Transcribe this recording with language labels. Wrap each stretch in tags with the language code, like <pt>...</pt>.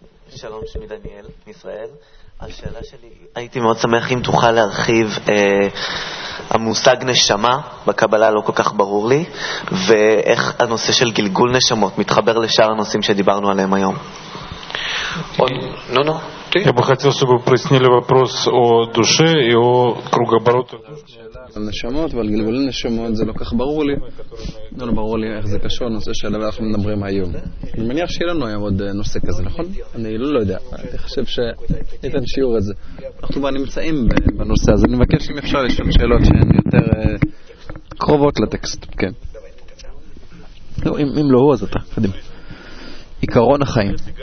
<he>שלום, שמי דניאל, מישראל. השאלה שלי, הייתי מאוד שמח אם תוכל להרחיב המושג נשמה, בקבלה לא כל כך ברור לי, ואיך הנושא של גלגול נשמות מתחבר לשאר הנושאים שדיברנו עליהם היום. נו, נו.</he> <ru>Я бы хотел, чтобы вы прояснили вопрос о душе и о кругообороте.</ru> <he>נשמות, אבל גלגולי נשמות זה לא כך ברור לי. לא ברור לי איך זה קשור לנושא שעליו אנחנו מדברים היום. אני מניח שיהיה לנו היום עוד נושא כזה, נכון? אני לא יודע. אני חושב שניתן שיעור את זה. אנחנו נמצאים בנושא הזה. אני מבקש אם אפשר לשאול שאלות שהן יותר קרובות לטקסט. כן. אם לא הוא, אז אתה. עיקרון החיים.</he>